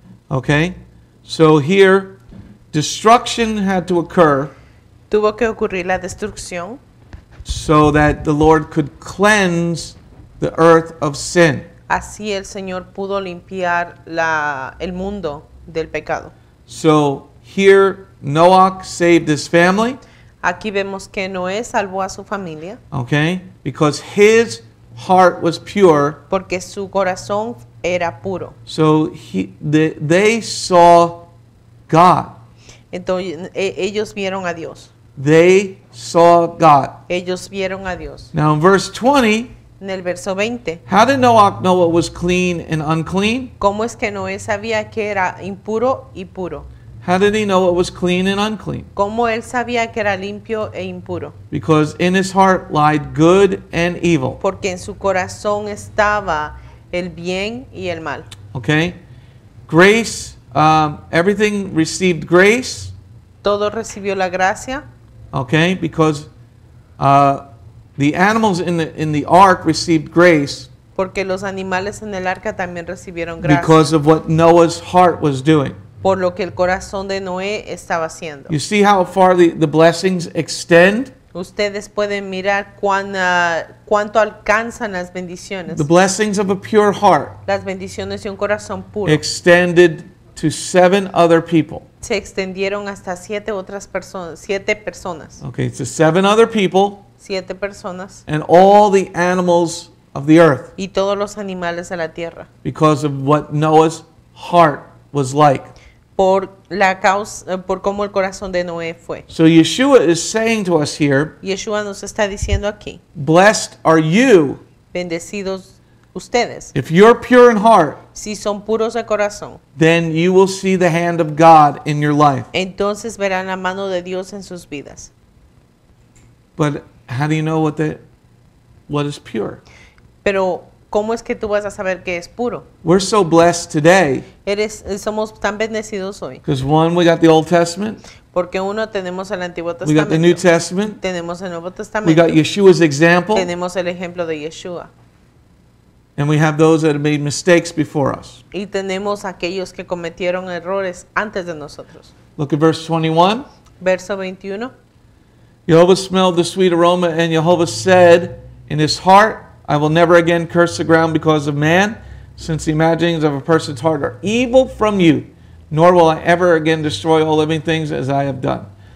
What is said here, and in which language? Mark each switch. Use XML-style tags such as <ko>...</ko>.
<en>Okay, so here, destruction had to occur.</en> <es>Tuvo que ocurrir la destrucción.</es> <en>So that the Lord could cleanse the earth of sin.</en> <es>Así el Señor pudo limpiar el mundo del pecado.</es> <en>So here, Noah saved his family.</en> <es>Aquí vemos que Noé salvó a su familia.</es> <en>Okay, because his heart was pure.</en> <es>Porque su corazón era puro.</es> <en>So they saw God.</en> <es>Entonces ellos vieron a Dios.</es> <en>They saw God.</en> <es>Ellos vieron a Dios.</es> <en>Now in verse 20.</en> <es>En el verso 20.</es> <en>How did Noah know what was clean and unclean?</en> <es>¿Cómo es que Noé sabía que era impuro y puro?</es> <en>How did he know what was clean and unclean?</en> <es>¿Cómo él sabía que era limpio e impuro?</es> <en>Because in his heart lied good and evil.</en> <es>Porque en su corazón estaba el bien y el mal.</es> <en>Okay. Grace, everything received grace.</en> <es>Todo recibió la gracia.</es> <en>Okay, because the animals in the ark received grace.</en> <es>Porque los animales en el arca también recibieron gracia.</es> <en>Because of what Noah's heart was doing.</en> <es>Por lo que el corazón de Noé estaba haciendo.</es> <en>You see how far the blessings extend?</en> <es>Ustedes pueden mirar cuánto alcanzan las bendiciones.</es> <en>The blessings of a pure heart.</en> <es>Las bendiciones de un corazón puro.</es> <en>Extended to seven other people.</en> <es>Se extendieron hasta siete otras personas, siete personas.</es> <en>Okay, to seven other people.</en> <es>Siete personas.</es> <en>And all the animals of the earth.</en> <es>Y todos los animales de la tierra.</es> <en>Because of what Noah's heart was like.</en> <es>Por la causa, por cómo el corazón de Noé fue.</es> <en>So Yeshua is saying to us here.</en> <es>Yeshua nos está diciendo aquí.</es> <en>Blessed are you.</en> <es>Bendecidos ustedes.</es> <en>If you're pure in heart.</en> <es>Si son puros de corazón.</es> <en>Then you will see the hand of God in your life.</en> <es>Entonces verán la mano de Dios en sus vidas.</es> <en>But how do you know what is pure?</en> <es>Pero ¿cómo es que tú vas a saber qué es puro?</es> <en>We're so blessed today.</en> <es>Somos tan bendecidos hoy.</es> <en>Because one, we got the Old Testament.</en> <es>Porque uno, tenemos el Antiguo Testamento.</es> <en>We got the New Testament.</en> <es>Tenemos el Nuevo Testamento.</es> <en>We got Yeshua's example.</en> <es>Tenemos el ejemplo de Yeshua.</es> <en>And we have those that have made mistakes before us.</en> <es>Y tenemos aquellos que cometieron errores antes de nosotros.</es> <en>Look at verse 21.</en> <es>Verso 21.</es> <en>Jehovah smelled the sweet aroma, and Jehovah said in his heart, I will never again curse the ground because of man, since the imaginings of a person's heart are evil from you, nor will I ever again destroy all living things as I have done.</en>